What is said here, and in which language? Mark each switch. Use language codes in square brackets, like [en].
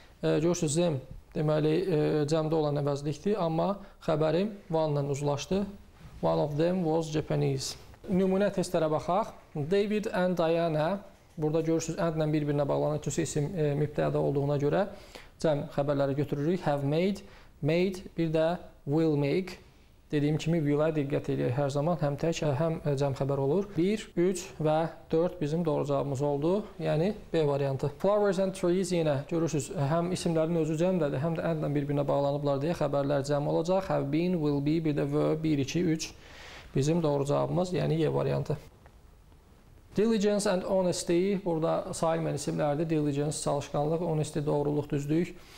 [az] Görürsünüz, them, deməli, cəmdə olan əvəzlikdir, amma xəbərim one ilə uzlaşdı. [en] One of them was Japanese. [az] Nümunə testlərə baxaq. David and Diana, burada görürsünüz, and ilə bir-birinə bağlanan üçün isim mübtəda olduğuna görə cəm xəbərləri götürürük. Have made, made, bir də will make. Dediyim kimi, will-ə diqqət edir hər zaman, həm tək, həm cəm xəbər olur. 1, 3 və 4 bizim doğru cavabımız oldu, yəni B variantı. Flowers and trees yenə, görürsünüz, həm isimlərin özü cəmdədir, həm də and-lə bir-birinə bağlanıblar deyə xəbərlər cəm olacaq. Have been, will be, bir də were, 1, 2, 3 bizim doğru cavabımız, yəni E variantı. Diligence and honesty, burada sayılmayan isimlerdir. Diligence, çalışkanlık, honesty, doğruluq, düzlük.